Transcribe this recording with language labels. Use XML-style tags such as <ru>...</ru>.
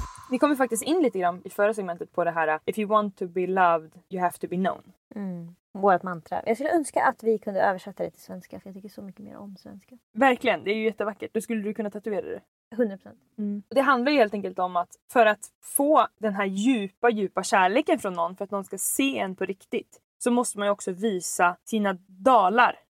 <sv>Vi kommer faktiskt in lite grann i förra segmentet på det här.</sv> <en>If you want to be loved, you have to be known.</en> <sv>Mm. Vårt mantra. Jag skulle önska att vi kunde översätta det till svenska. För jag tycker så mycket mer om svenska. Verkligen, det är ju jättevackert. Då skulle du kunna tatuera det. 100%. Mm. Det handlar ju helt enkelt om att för att få den här djupa, djupa kärleken från någon. För att någon ska se en på riktigt. Så måste man ju också visa sina dalar.</sv>